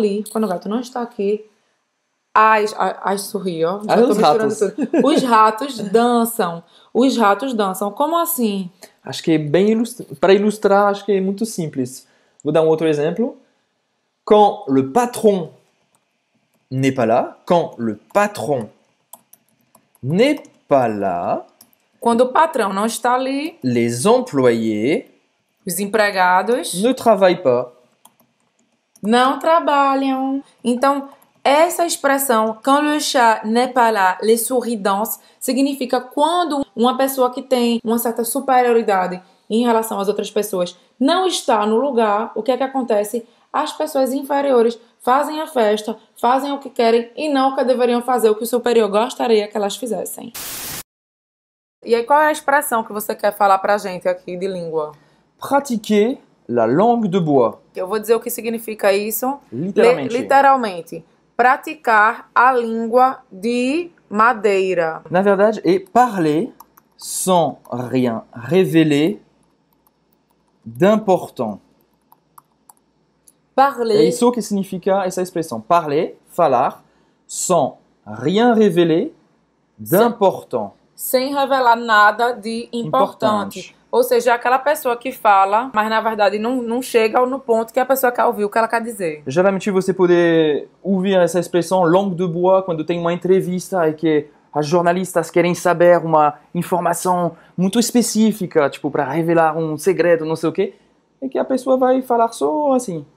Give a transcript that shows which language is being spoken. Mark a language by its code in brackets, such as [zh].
[pt] Quando o gato não está aqui, [fr] as souris, [pt] ó. Os ratos dançam. Os ratos dançam. Como assim? Acho que é bem para ilustrar, acho que é muito simples. Vou dar um outro exemplo. [fr] Quand le patron n'est pas là, quand le patron n'est pas là, [pt] quando o patrão não está ali, [fr] les employés, [pt] os empregados, [fr] ne travaillent pas. [pt] Não trabalham. Então, essa expressão, [fr] quand le chat n'est pas là, les souris dansent, [pt] significa quando uma pessoa que tem uma certa superioridade em relação às outras pessoas não está no lugar, o que é que acontece? As pessoas inferiores fazem a festa, fazem o que querem e não o que deveriam fazer, o que o superior gostaria que elas fizessem. E aí, qual é a expressão que você quer falar pra gente aqui de língua? [fr] Pratiquer la langue de bois. [pt] Eu vou dizer o que significa isso. Literalmente. Literalmente. Praticar a língua de madeira. Na verdade, é [fr] parler sans rien révéler d'important. Parler. [pt] É isso que significa essa expressão. [fr] Parler, [pt] falar, [fr] sans rien révéler d'important. [pt] Sem revelar nada de importante. Ou seja, aquela pessoa que fala, mas na verdade não chega no ponto que a pessoa quer ouvir o que ela quer dizer. Geralmente você pode ouvir essa expressão [fr] langue de bois [pt] quando tem uma entrevista e que as jornalistas querem saber uma informação muito específica, tipo, para revelar um segredo, não sei o quê, e que a pessoa vai falar só assim.